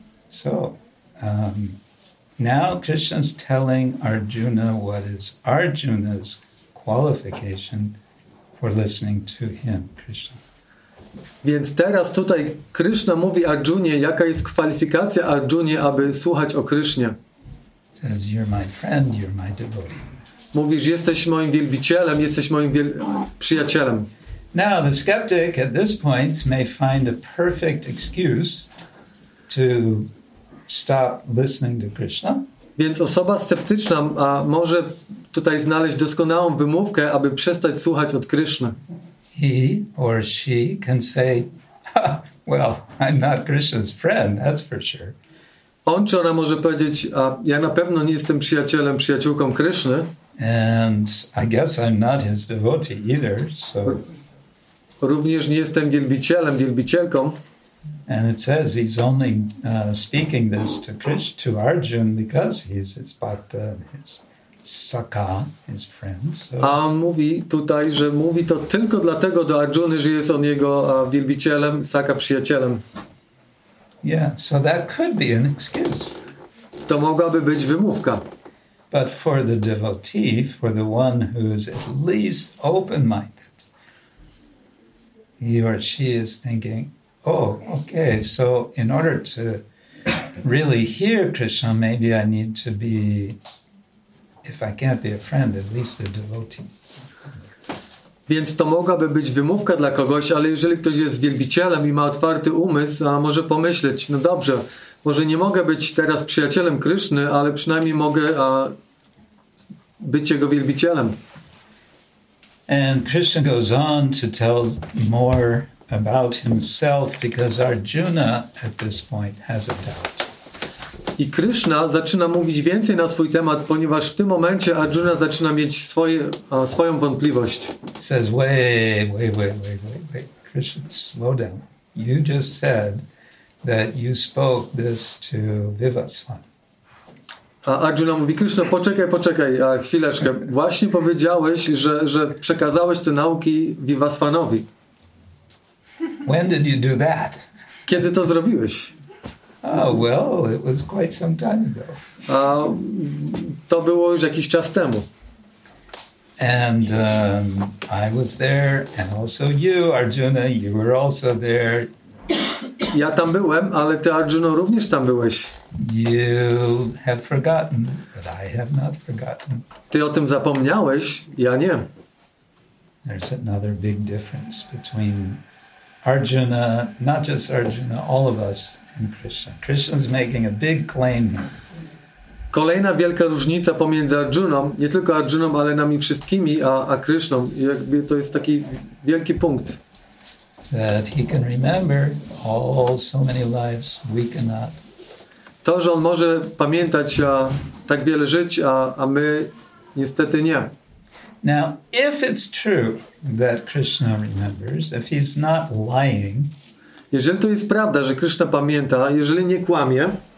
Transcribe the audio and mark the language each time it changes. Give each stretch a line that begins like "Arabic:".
English: So, now Krishna's telling Arjuna what is Arjuna's qualification for listening to him, Krishna.
Polish: Więc teraz tutaj Krishna mówi Arjunie, jaka jest kwalifikacja Arjunie, aby słuchać o Krishnie.
English: Says, you're my friend, you're my devotee.
Polish: Mówisz, jesteś moim wielbicielem, jesteś moim przyjacielem.
English: Now the skeptic at this point may find a perfect excuse to stop listening to Krishna.
Polish: Więc osoba sceptyczna może tutaj znaleźć doskonałą wymówkę, aby przestać słuchać od Krishna.
English: He or she can say, well, I'm not Krishna's friend, that's for sure.
Polish: On czy ona może powiedzieć, ja na pewno nie jestem przyjacielem, przyjaciółką Krishny.
English: And I guess I'm not his devotee either, so.
Polish: Również nie jestem wielbicielem, wielbicielką.
English: And it says he's only speaking this to Krishna, to Arjuna, because he's his bhakta, his saka, his friend. So.
Polish: A on mówi tutaj, że mówi to tylko dlatego do Arjuny, że jest on jego wielbicielem, saka, przyjacielem.
English: Yeah, so that could be an excuse.
Polish: To mogłaby być wymówka.
English: But for the devotee, for the one who is at least open-minded, he or she is thinking, oh, okay, so in order to really hear Krishna, maybe I need to be, if I can't be a friend, at least a devotee.
Polish: Więc to mogłaby być wymówka dla kogoś, ale jeżeli ktoś jest wielbicielem i ma otwarty umysł, a może pomyśleć, no dobrze, może nie mogę być teraz przyjacielem Kryszny, ale przynajmniej mogę być jego wielbicielem.
English: And Krishna goes on to tell more about himself, because Arjuna at this point has a doubt.
Polish: I Krishna zaczyna mówić więcej na swój temat, ponieważ w tym momencie Arjuna zaczyna mieć swoją wątpliwość.
English: Says, wait, Krishna, slow down. You just said that you spoke this to Vivasvan.
Polish: A Arjuna mówi, Krishna, poczekaj, chwileczkę. Właśnie powiedziałeś, że przekazałeś te nauki Vivasvanowi.
English: When did you do that?
Polish: Kiedy to zrobiłeś?
English: It was quite some time ago.
Polish: To było już jakiś czas temu.
English: And I was there, and also you, Arjuna, you were also there.
Polish: Ja tam byłem, ale ty, Arjuna, również tam byłeś.
English: You have forgotten, but I have not forgotten.
Polish: Ty o tym zapomniałeś, ja nie.
English: There's another big difference between Arjuna, not just Arjuna, all of us and Krishna. Krishna's making a big claim here.
Polish: Kolejna wielka różnica pomiędzy Arjuną, nie tylko Arjuną, ale nami wszystkimi, a Krishną. Jakby to jest taki wielki punkt.
English: That he can remember all so many lives we cannot.
Polish: To, że on może pamiętać tak wiele żyć, a my niestety nie.
English: Now, if it's true that Krishna remembers, if he's not lying,
Polish: jeżeli to jest prawda, że Krishna pamięta, jeżeli nie kłamie,